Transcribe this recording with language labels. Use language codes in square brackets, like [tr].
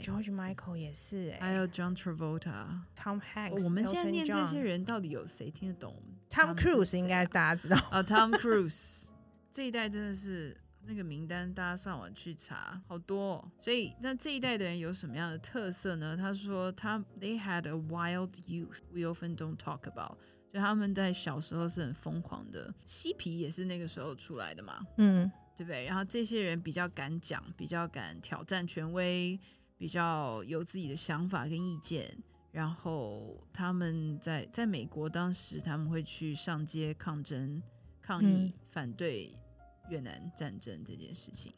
[zh] George Michael 也是、欸，还有 John Travolta、 Tom Hanks、哦。我们现在念这些人，到底有谁听得懂？Tom Cruise 应该大家知道啊、，Tom Cruise 这一代真的是那个名单，大家上网去查，好多、哦。所以那这一代的人有什么样的特色呢？他说他 [en] They had a wild youth we often don't talk about。 [zh] 就他们在小时候是很疯狂的，嬉皮也是那个时候出来的嘛，嗯，对不对？然后这些人比较敢讲，比较敢挑战权威，比较有自己的想法跟意见，然后他们在美国当时他们会去上街抗争抗议、嗯、反对越南战争这件事情，